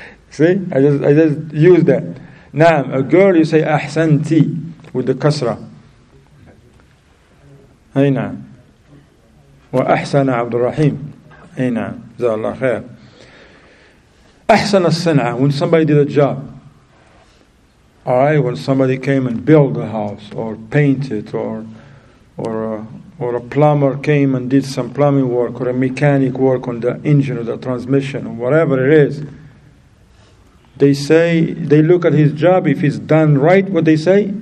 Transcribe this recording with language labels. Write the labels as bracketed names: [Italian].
[English] See, I just use that. Naam, a girl, you say, Ahsanti, with the kasra. [Arabic] أي نعم وأحسن عبد الرحيم أي نعم جزاه الله خير أحسن الصنعة. [English] When somebody did a job, alright, when somebody came and built a house or painted or a plumber came and did some plumbing work or a mechanic work on the engine or the transmission or whatever it is, they say, they look at his job, if it's done right, what they say?